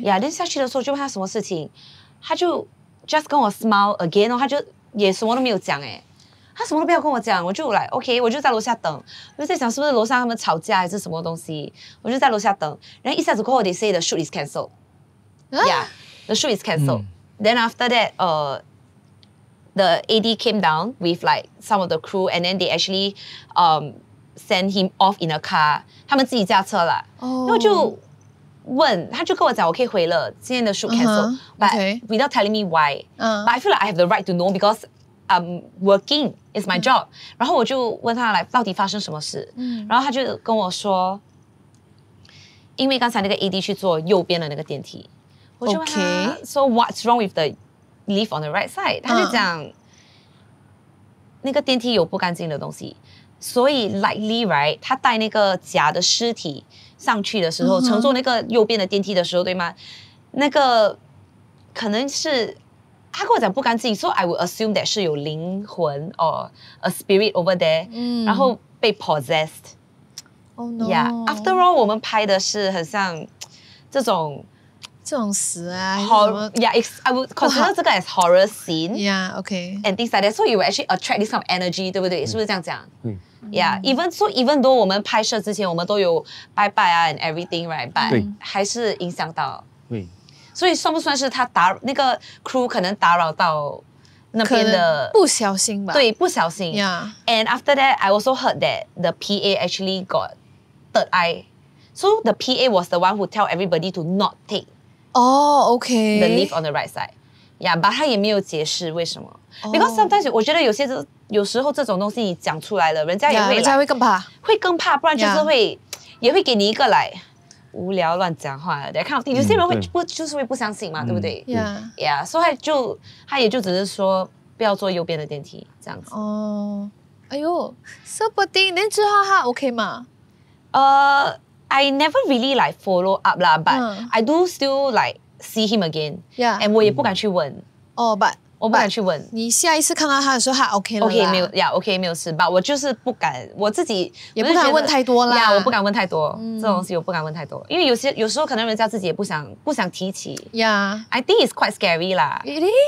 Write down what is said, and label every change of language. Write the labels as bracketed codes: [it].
[zh] 呀，等下去的时候就问他什么事情，他就 [en] just [zh] 跟我 [en] smile again， [zh] 他就也什么都没有讲，哎。他什么都不要跟我讲，我就来 OK， 我就在楼下等，我就在想是不是楼上他们吵架还是什么东西，我就在楼下等。然后一下子过后 [en] ，they say the shoot is cancelled，、yeah， the shoot is cancelled、嗯。 Then after that， the AD came down with like some of the crew， and then they actually send him off in a car， [zh] 他们自己驾车啦。哦，那我就问，他就跟我讲，我可以回了，今天的 [en] shoot cancelled，、 uh-huh， but、 okay. without telling me why，、 uh-huh. but I feel like I have the right to know because。 I'm working, it's my job.、 [zh] 嗯、然后我就问他来到底发生什么事、嗯、然后他就跟我说因为刚才那个 AD 去坐右边的那个电梯。我就问他、 [en] okay. So what's wrong with the lift on the right side?、嗯、 [zh] 他就讲那个电梯有不干净的东西。所以 [en] likely, right, [zh] 他带那个假的尸体上去的时候、嗯、乘坐那个右边的电梯的时候对吗那个可能是他跟我讲不干净 ， [en] so I would assume that [zh] 是有灵魂 [en] or a spirit over there，、嗯、 [zh] 然后被 possessed。 [en] Oh no！ Yeah， after all， [zh] 我们拍的是很像这种死啊 [en] ，horror。 Yeah， I would consider 这个 as horror scene。 Yeah， OK。 And things like that， so you will actually attract this kind of energy， [zh] 对不对？嗯、是不是这样讲？嗯。 [en] Yeah， even though [zh] 我们拍摄之前我们都有拜拜啊 [en] and everything， right？ But、嗯、 [zh] 还是影响到。对。所以算不算是他打那个 crew 可能打扰到那边的不小心吧？对，不小心。 [en] Yeah. And after that, I also heard that the PA actually got third eye. So the PA was the one who tell everybody to not take. Oh, okay. The lift on the right side. Yeah, but [zh] 他也没有解释为什么。 [en] Because sometimes [zh] 我觉得有些有时候这种东西你讲出来了，人家也会人家会更怕，会更怕，不然就是会、也会给你一个来无聊乱讲话的 [en] kind of thing。 [zh] 有些人会不就是会不相信嘛，对不对？ [en] Yeah， [zh] 所以就他也就只是说不要坐右边的电梯这样子。哎呦，说不定你知道他 OK 吗？ [en] I never really like follow up lah, but I do still like see him again. Yeah, [zh] and 我也不敢去问。 [en] Oh, but [zh] 我不敢去问。你下一次看到他的时候，他 OK 了啦。 OK， 没有 ，Yeah， OK， 没有事。But 我就是不敢，我自己也不敢问太多啦。 Yeah， 我不敢问太多、这种东西，我不敢问太多，因为有时候可能人家自己也不想提起。 [en] Yeah, I think it's quite scary lah. It is.